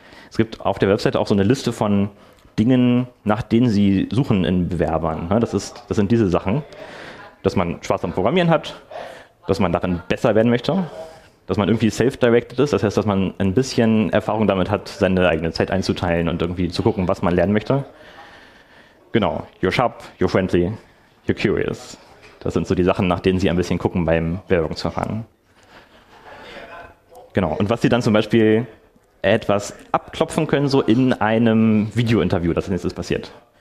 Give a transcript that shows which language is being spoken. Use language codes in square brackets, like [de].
[de] Es gibt auf der Webseite auch so eine Liste von Dingen, nach denen sie suchen in Bewerbern. Das sind diese Sachen, dass man Spaß am Programmieren hat, dass man darin besser werden möchte, dass man irgendwie self-directed ist, das heißt, dass man ein bisschen Erfahrung damit hat, seine eigene Zeit einzuteilen und irgendwie zu gucken, was man lernen möchte. [en] Genau, you're sharp, you're friendly, you're curious. [de] Das sind so die Sachen, nach denen sie ein bisschen gucken beim Bewerbungsverfahren. Genau, und was sie dann zum Beispiel etwas abklopfen können, so in einem Video-Interview, das jetzt passiert.